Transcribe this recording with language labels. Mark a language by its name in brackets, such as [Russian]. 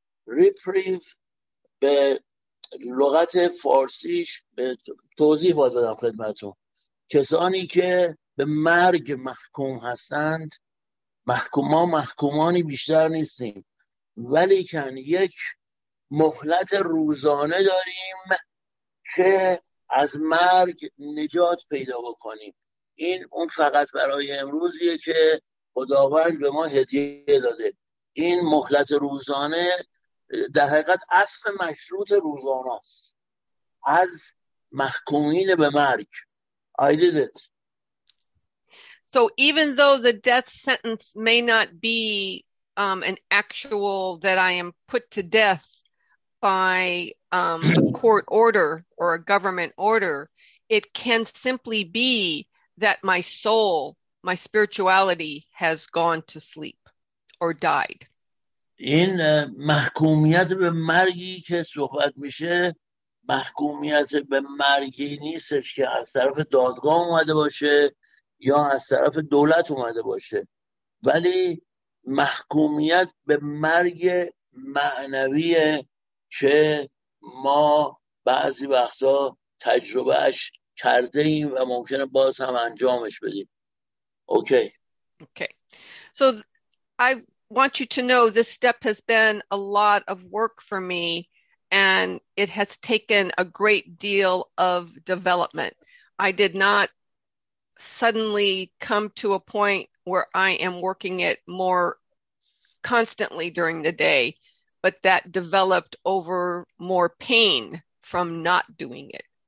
[Persian] Reprieve به لغت فارسیش به توضیح باید بدم خدمتون، کسانی که به مرگ محکوم هستند، محکومانی بیشتر نیستیم ولی کن یک مهلت روزانه داریم که از مرگ نجات پیدا بکنیم. این اون فقط برای امروزیه که ما خداوند به ما هدیه داده. این مهلت روزانه در حقیقت اصل مشروط روزانه است، از محکومین به مرگ. [English] I did it. So even though the death sentence may not be an actual that I am put to death by a court order or a government order, it can simply be that my soul, my spirituality has gone to sleep or died. [Persian] این محکومیت به مرگی که صحبت میشه محکومیت به مرگی نیستش که از طرف دادگاه اومده باشه یا از طرف دولت اومده باشه، ولی محکومیت به مرگ معنویه که ما بعضی وقتا تجربهش کرده ایم و ممکنه باز هم انجامش بدیم. اوکی. اوکی. [English] So I want you to know this step has been a lot of work for me and it has taken a great deal of development. I did not suddenly come to a point where I am working it more constantly during the day, but that developed over more pain from not doing it.